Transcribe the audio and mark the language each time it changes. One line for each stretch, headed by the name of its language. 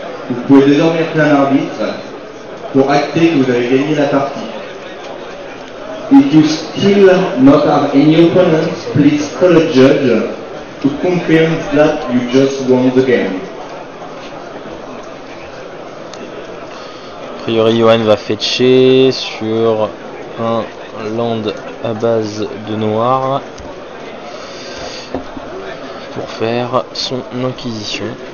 French: Vous pouvez désormais appeler un arbitre pour acter que vous avez gagné la partie.
English: If you still not have any opponent, please call a judge to confirm that you just won the game.
French: A priori, Johan va fetcher sur un land à base de noir pour faire son inquisition.